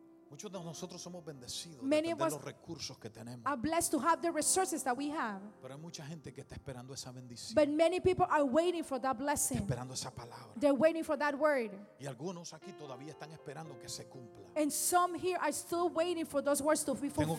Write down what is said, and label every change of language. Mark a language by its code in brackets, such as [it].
[es] Muchos de nosotros somos bendecidos de tener los recursos que tenemos. [en] Are blessed to have the resources that we have. [es] Pero hay mucha gente que está esperando esa bendición. [en] But many people are waiting for that blessing. [es] Está esperando esa palabra. [en] They're waiting for that word. [es] Y algunos aquí todavía están esperando que se cumpla. [en] And some here are still waiting for those words to be fulfilled.